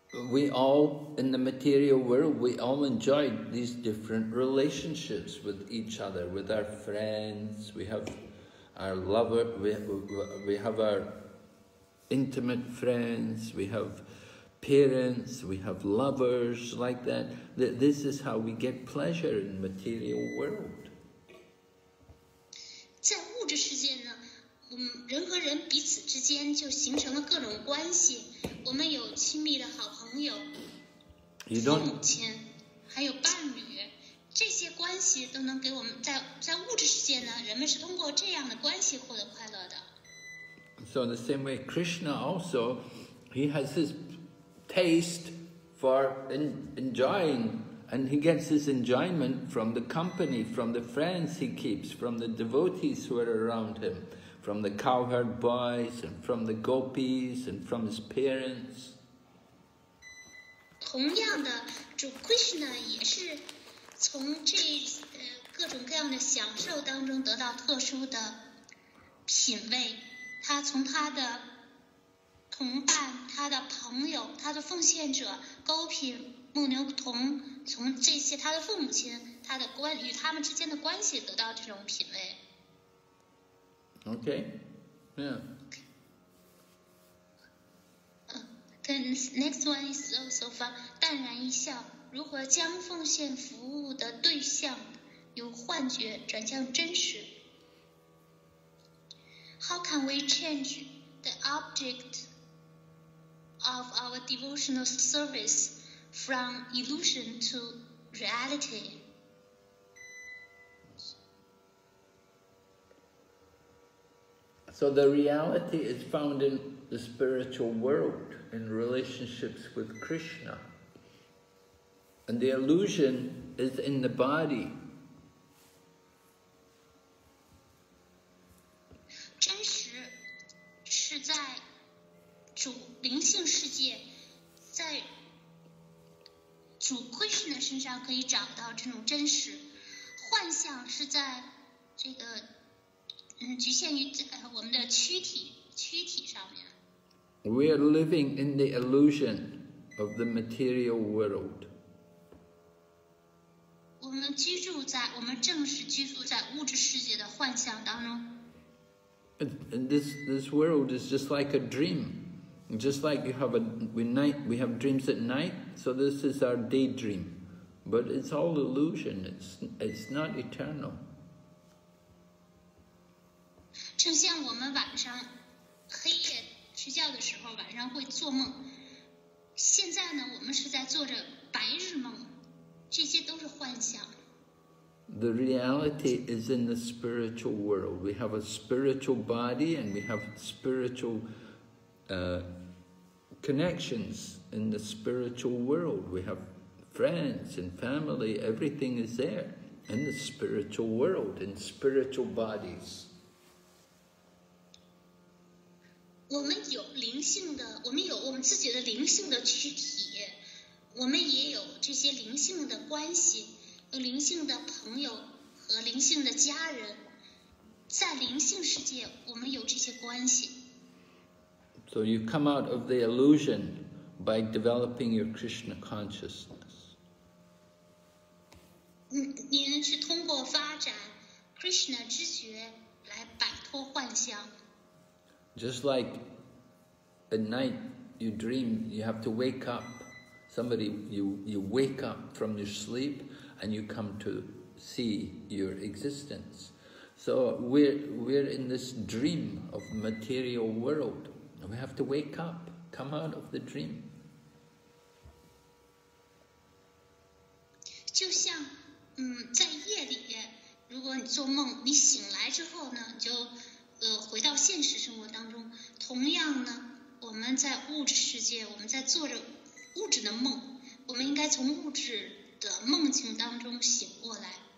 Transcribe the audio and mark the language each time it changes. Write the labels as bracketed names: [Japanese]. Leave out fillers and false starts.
[English] We all, in the material world, we all enjoy these different relationships with each other, with our friends, we have our lover, we have our intimate friends, we have parents, we have lovers like that. This is how we get pleasure in the material world. [Chinese] 在物质世界呢，人和人彼此之间就形成了各种关系。我们有亲密的好朋友， [English] you don't, [Chinese] 父母亲，还有伴侣，这些关系都能给我们在物质世界呢，人们是通过这样的关系获得快乐的。 [English] So the same way, Krishna also He has his taste for enjoying, and he gets his enjoyment from the company, from the friends he keeps, from the devotees who are around him, from the cowherd boys, and from the gopis, and from his parents. [Chinese] 同样的，主 Krishna 也是从这各种各样的享受当中得到特殊的品味，他从他的同伴、他的朋友、他的奉献者、勾品、牧牛童，从这些他的父母亲、他的关与他们之间的关系得到这种品味。 [English] Okay, yeah. Then next one is also fun. [Chinese] 淡然一笑，如何将奉献服务的对象由幻觉转向真实？ [English] How can we change the object of our devotional service from illusion to reality? So the reality is found in the spiritual world, in relationships with Krishna. And the illusion is in the body. [Chinese] 真实是在主灵性世界，在主 Krishna 身上可以找到这种真实，幻象是在这个局限于我们的躯体上面。 [English] We are living in the illusion of the material world. [Chinese] 我们居住在，我们正是居住在物质世界的幻象当中。 [English] And this world is just like a dream, just like you have we have dreams at night. So this is our daydream, but it's all illusion. It's not eternal. [Chinese] 正像我们晚上黑夜睡觉的时候晚上会做梦，现在呢我们是在做着白日梦，这些都是幻想。 [English] The reality is in the spiritual world. We have a spiritual body and we have spiritual connections in the spiritual world. We have friends and family, everything is there in the spiritual world, in spiritual bodies. [Chinese] 我们有灵性的，我们有我们自己的灵性的躯体，我们也有这些灵性的关系，有灵性的朋友和灵性的家人，在灵性世界我们有这些关系。 [English] So you come out of the illusion by developing your Krishna consciousness. [Chinese] 您是通过发展 Krishna 知觉来摆脱幻象。 [English] Just like at night you dream, you have to wake up. Somebody, you wake up from your sleep and you come to see your existence. So we're in this dream of material world. And we have to wake up, come out of the dream. [Chinese] 就像在夜里如果你做梦你醒来之后呢就回到现实生活当中，同样呢，我们在物质世界，我们在做着物质的梦，我们应该从物质的梦境当中醒过来。